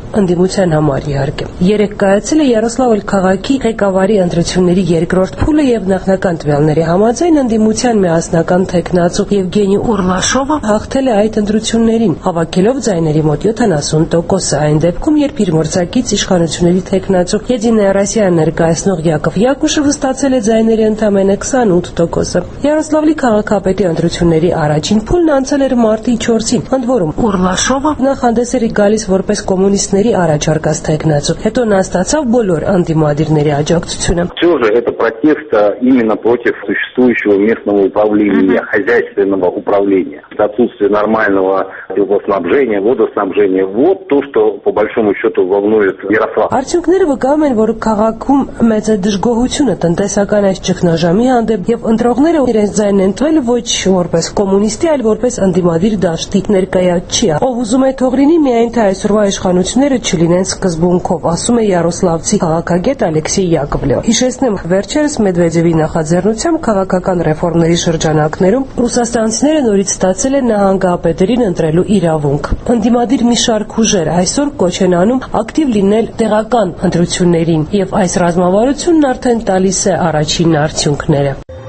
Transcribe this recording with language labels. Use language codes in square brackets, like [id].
[hy] ընդդիմության համար իհարկե։ Երեկ կայացել է Յարոսլավլ քաղաքի ղեկավարի ընտրությունների երկրորդ փուլը եւ նախնական տվյալների համաձայն ընդդիմության միասնական Թեկնածու Եվգենի Ուրլաշովը հաղթել է այդ ընտրություններին, հավաքելով ձայների մոտ 70%-ը, այն դեպքում, երբ իր մրցակից իշխանությունների Թեկնածու Եդինա Ռասիան ներկայացնող Յակով Յակուշովը ստացել է ձայների ընդամենը 28%-ը։ Յարոսլավլի քաղաքապետի ընտրությունների առաջին փուլն անցել էր մարտի 4-ին, ընդ որում Ուրլաշովը նախ հանդես էր գալիս որպես կոմունիստների առաջարկած Թեկնածու, հետո նա ստացավ բոլոր ընդդիմադիրների աջակցությունը։ Ձյուժը [ru] это протест именно против существующего местного управления, хозяйственного управления, отсутствие нормального теплоснабжения, водоснабжения, вот то, что по большому счету волнует Ярослав. [hy] Արդյունքները վկայում են, որ քաղաքում մեծ է դժգոհությունը տնտեսական այս ճգնաժամի հանդեպ, եւ ընտրողները իրենց ձայնն են տվել ոչ որպես կոմունիստի, այլ որպես ընդդիմադիր դաշտի ներկայացի։ Ով ուզում է թողնել միայն թե այսօրվա իշխանությունները չլինեն սկզբունքով, ասում է Յարոսլավցի քաղաքագետ Ալեքսեյ Յակովլեվը։ Հիշեցնեմ, վերջերս Մեդվեդևի նախաձեռնությամբ քաղաքական ռեֆորմների շրջանակներում ռուսաստանցիները նորից ստացել են նահանգապետերին ընտրելու իրավունք։ Ընդդիմադիր մի շարք ուժեր այսօր կոչ են անում ակտիվ լինել տեղական ընտրություններին, և այս ռազմավարությունն արդեն տալիս է առաջին արդյունքները։